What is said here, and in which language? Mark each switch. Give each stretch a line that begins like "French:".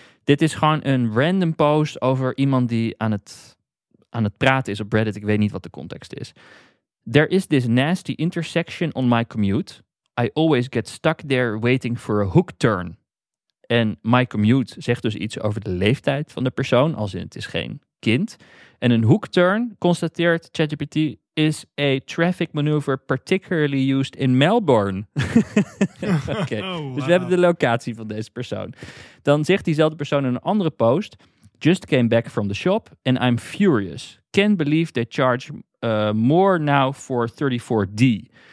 Dutch: Dit is gewoon een random post over iemand die aan het praten is op Reddit. Ik weet niet wat de context is.
English: There is this nasty intersection on my commute. I always get stuck there waiting for a hook turn.
Dutch: En
English: my commute
Dutch: zegt dus iets over de leeftijd van de persoon, als in het is geen kind. En een hook turn, constateert ChatGPT,
English: is a traffic maneuver particularly used in Melbourne. Okay. Oh, wow.
Dutch: Dus we hebben de locatie van deze persoon. Dan zegt diezelfde persoon in een andere post,
English: just came back from the shop and I'm furious. Can't believe they charge more now for 34D.